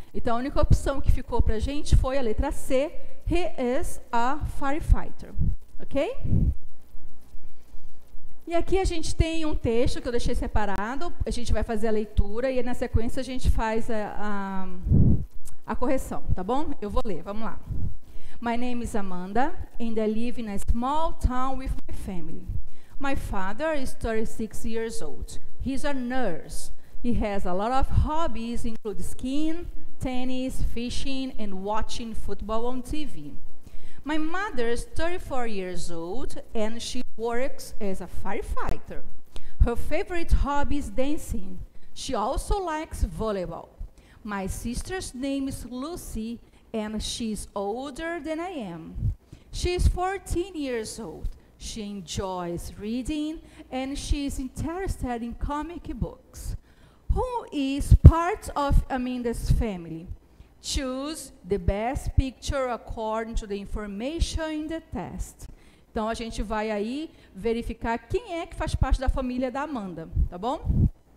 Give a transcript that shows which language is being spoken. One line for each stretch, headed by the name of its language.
Portuguese: Então, a única opção que ficou para a gente foi a letra C,
English: he is a firefighter,
Portuguese: ok? E aqui a gente tem um texto que eu deixei separado, a gente vai fazer a leitura e na sequência a gente faz a correção, tá bom? Eu vou ler, vamos lá.
English: My name is Amanda and I live in a small town with my family. My father is 36 years old. He's a nurse. He has a lot of hobbies, including skiing, tennis, fishing, and watching football on TV. My mother is 34 years old, and she works as a firefighter. Her favorite hobby is dancing. She also likes volleyball. My sister's name is Lucy, and she's older than I am. She's 14 years old. She enjoys reading, and she's interested in comic books. Who is part of Amanda's family? Choose the best picture according to the information in the test.
Portuguese: Então, a gente vai aí verificar quem é que faz parte da família da Amanda, tá bom?